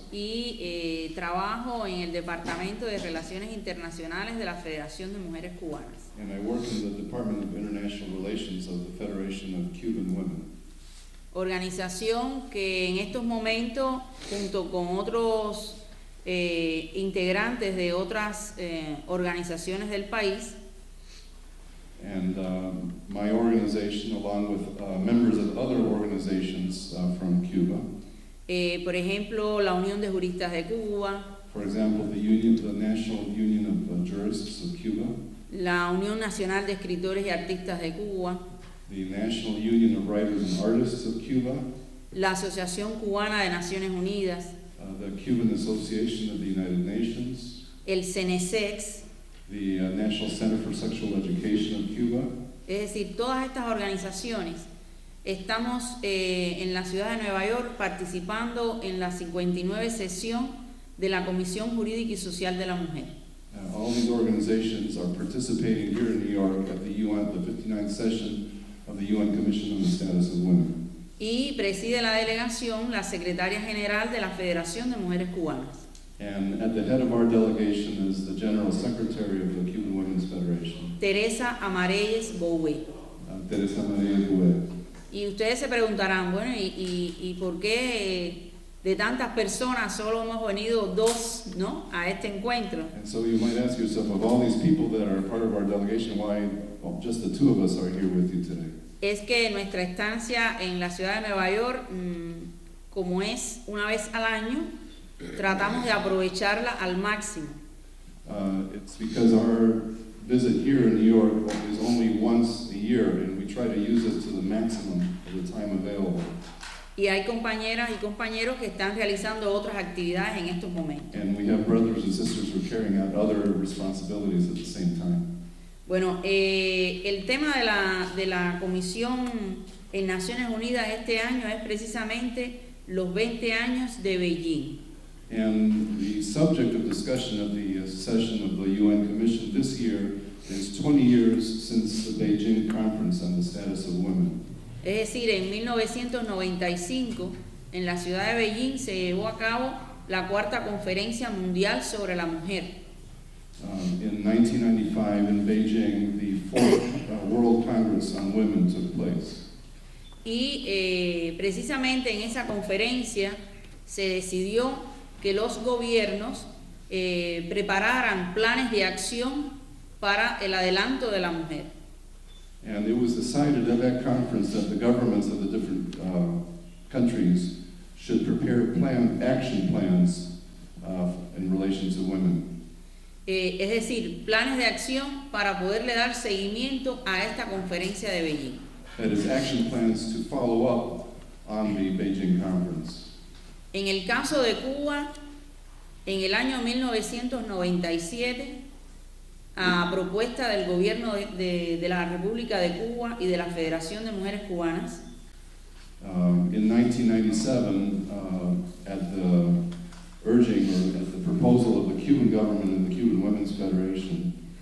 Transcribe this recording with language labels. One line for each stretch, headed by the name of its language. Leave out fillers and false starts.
Spanish: Y trabajo en el Departamento de Relaciones Internacionales de la Federación de Mujeres Cubanas.
English: And I work in the Department of International Relations of the Federation of Cuban Women.
Spanish: Organización que en estos momentos, junto con otros integrantes de otras organizaciones del país,
English: and my organization, along with members of other organizations from Cuba.
Spanish: Por ejemplo, la Unión de Juristas de Cuba.
English: For example, the Union, the National Union of Jurists of Cuba.
Spanish: La Unión Nacional de Escritores y Artistas de Cuba.
English: The National Union of Writers and Artists of Cuba.
Spanish: La Asociación Cubana de Naciones Unidas.
English: The Cuban Association of the United Nations.
Spanish: El CENESEX.
English: The National Center for Sexual Education of Cuba.
Spanish: Es decir, todas estas organizaciones estamos en la ciudad de Nueva York participando en la 59 sesión de la Comisión Jurídica y Social de la Mujer.
English: All these organizations are participating here in New York at the UN, the 59th session of the UN Commission on the Status of Women.
Spanish: Y preside la delegación la Secretaria General de la Federación de Mujeres Cubanas.
English: And at the head of our delegation is the General Secretary of the Cuban Women's Federation.
Spanish: Teresa Amareyes Bowe.
English: Teresa Amareyes Bowe.
Spanish: Y ustedes se preguntarán, bueno, y por qué de tantas personas solo hemos venido dos, ¿no?, a este encuentro.
English: And so you might ask yourself, of all these people that are part of our delegation, why just the two of us are here with you today?
Spanish: Es que nuestra estancia en la ciudad de Nueva York como es una vez al año, tratamos de aprovecharla al máximo.
English: It's because our visit here in New York is only once a year, and we try to use it to the maximum of the time available.
Spanish: Y hay compañeras y compañeros que están realizando otras actividades en estos momentos.
English: And we have brothers and sisters who are carrying out other responsibilities at the same time.
Spanish: Bueno, el tema de la comisión en Naciones Unidas este año es precisamente los 20 años de Beijing.
English: And the subject of discussion of the session of the UN Commission this year is 20 years since the Beijing Conference on the Status of Women.
Spanish: Es decir, en 1995, en la ciudad de Beijing, se llevó a cabo la cuarta conferencia mundial sobre la mujer.
English: In 1995, in Beijing, the fourth World Congress on Women took place.
Spanish: Y precisamente en esa conferencia se decidió que los gobiernos prepararan planes de acción para el adelanto de la mujer.
English: And it was decided at that conference that the governments of the different countries should prepare action plans in relation to women.
Spanish: Es decir, planes de acción para poderle dar seguimiento a esta conferencia de Beijing.
English: That is, action plans to follow up on the Beijing conference.
Spanish: En el caso de Cuba, en el año 1997, a propuesta del gobierno de la República de Cuba y de la Federación de Mujeres Cubanas,
English: In 1997, at the urging or at the proposal of the Cuban government and the Cuban Women's Federation,